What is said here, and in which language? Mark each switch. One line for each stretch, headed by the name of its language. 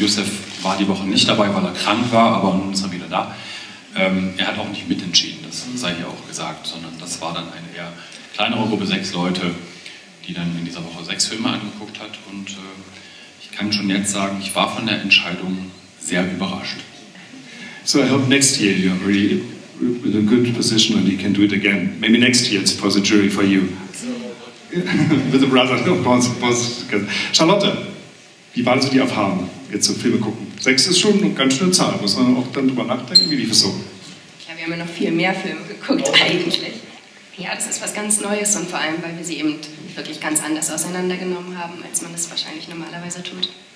German: Yusuf war die Woche nicht dabei, weil er krank war, aber nun ist er wieder da. Er hat auch nicht mitentschieden, das sei hier auch gesagt, sondern das war dann eine eher kleinere Gruppe, 6 Leute, die dann in dieser Woche 6 Filme angeguckt hat. Und ich kann schon jetzt sagen, ich war von der Entscheidung sehr überrascht.
English: So I hope next year you're really in a good position and you can do it again. Maybe next year it's for the jury for you. With the brothers, of course.
German: Charlotte, wie war also die Erfahrung, jetzt so Filme gucken? 6 ist schon eine ganz schöne Zahl, muss man auch dann drüber nachdenken, wie lief es so? Ja, wir haben ja noch viel mehr Filme geguckt eigentlich. Ja, das ist was ganz Neues und vor allem, weil wir sie eben wirklich ganz anders auseinandergenommen haben, als man es wahrscheinlich normalerweise tut.